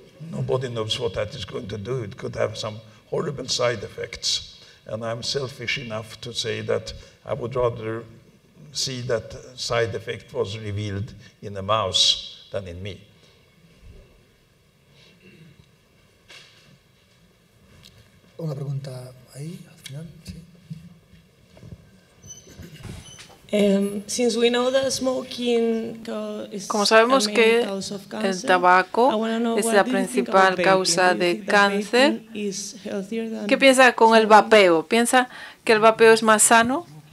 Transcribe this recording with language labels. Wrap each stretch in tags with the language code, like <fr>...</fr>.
<en>Nobody knows what that is going to do. It could have some horrible side effects. And I'm selfish enough to say that I would rather see that side effect was revealed in a mouse than in me.</en> <es>Una pregunta ahí, al final, sí.</es> <en>Since we know that smoking is</en> <es>como sabemos que el tabaco es la principal causa de cáncer, ¿qué piensa con el vapeo? ¿Piensa que el vapeo es más sano?</es>